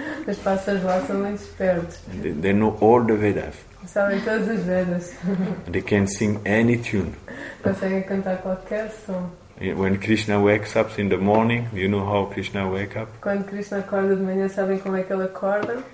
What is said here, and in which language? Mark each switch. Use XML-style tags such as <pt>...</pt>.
<pt>Os pássaros lá são muito espertos.</pt> <en>They know all the Vedas.</en> <pt>Sabem todas as Vedas.</pt> <en>They can sing any tune.</en> <pt>Conseguem cantar qualquer som.</pt> <en>When Krishna wakes up in the morning, you know how Krishna wakes up?</en> <pt>Quando Krishna acorda de manhã, sabem como é que ele acorda?</pt>